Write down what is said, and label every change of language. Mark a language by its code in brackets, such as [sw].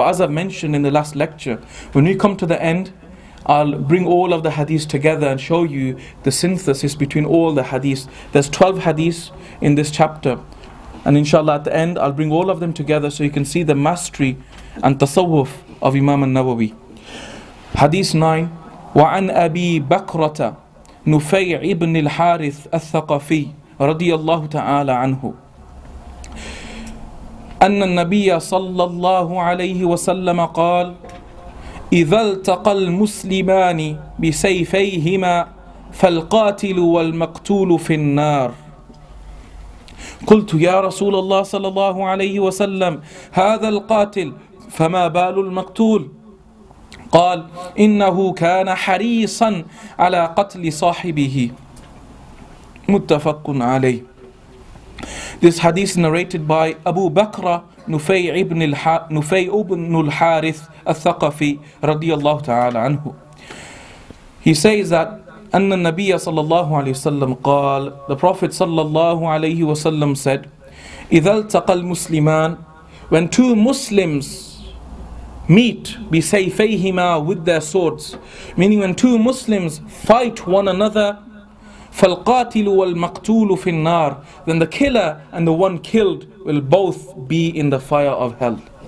[en] But as I've mentioned in the last lecture, when we come to the end, I'll bring all of the hadiths together and show you the synthesis between all the hadiths. There's 12 hadiths in this chapter. And inshallah at the end, I'll bring all of them together so you can see the mastery and tasawwuf of Imam Al Nawawi. Hadith 9. [ar] وعن أبي بكرة نفيع بن الحارث الثقفي رضي الله تعالى عنه أن النبي صلى الله عليه وسلم قال إذا التقى المسلمان بسيفيهما فالقاتل والمقتول في النار قلت يا رسول الله صلى الله عليه وسلم هذا القاتل فما بال المقتول قال إنه كان حريصا على قتل صاحبه متفق عليه. [en] This hadith narrated by Abu Bakr Nufay ibn al-Harith al-Thaqafi رضي الله تعالى عنه. He says that [ar] أَنَّ النَّبِيَّ صَلَّى اللَّهُ عَلَيْهِ وَسَلَّمْ قَالَ [en] The Prophet صلى الله عليه وسلم said [ar] إِذَا الْتَقَى الْمُسْلِمَانِ [en] When two Muslims meet [ar] بِسَيْفَيْهِمَا [en] with their swords, meaning when two Muslims fight one another, [ar] فَالْقَاتِلُ وَالْمَقْتُولُ فِي النَّارِ [en] Then the killer and the one killed will both be in the fire of hell.